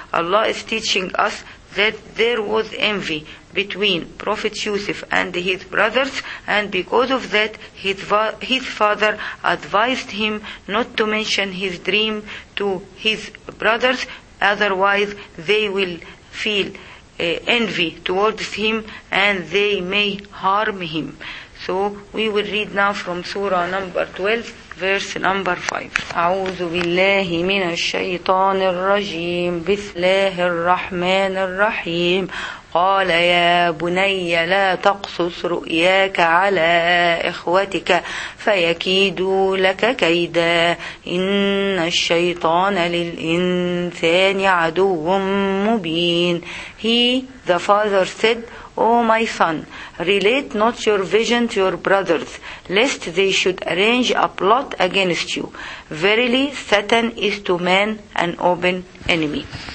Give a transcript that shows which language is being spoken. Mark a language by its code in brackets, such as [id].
[en] Allah is teaching us that there was envy between Prophet Yusuf and his brothers, and because of that, his father advised him not to mention his dream to his brothers, otherwise they will feel envy towards him and they may harm him. So we will read now from Surah number 12, verse number 5. [ar] أعوذ بالله من الشيطان الرجيم بسم الله الرحمن الرحيم قال يا بني لا تقصص رؤياك على إخوتك فيكيدوا لك كيدا إن الشيطان للإنسان عدو مبين. [en] He, the father, said, O my son, relate not your vision to your brothers, lest they should arrange a plot against you. Verily, Satan is to man an open enemy.